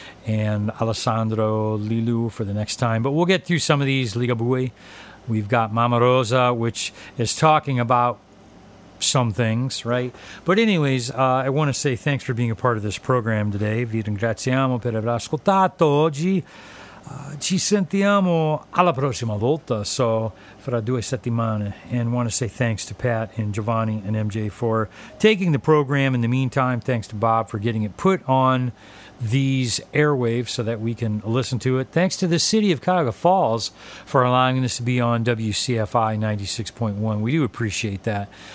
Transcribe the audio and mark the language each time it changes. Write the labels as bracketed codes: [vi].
[en] And Alessandro Lilu for the next time. But we'll get through some of these, Ligabue. We've got Mama Rosa, which is talking about some things, right? But anyways, I want to say thanks for being a part of this program today. [it] Vi ringraziamo per aver ascoltato oggi. Ci sentiamo alla prossima volta, so fra due settimane. [en] And want to say thanks to Pat and Giovanni and MJ for taking the program. In the meantime, thanks to Bob for getting it put on these airwaves so that we can listen to it. Thanks to the city of Cuyahoga Falls for allowing this to be on WCFI 96.1. We do appreciate that.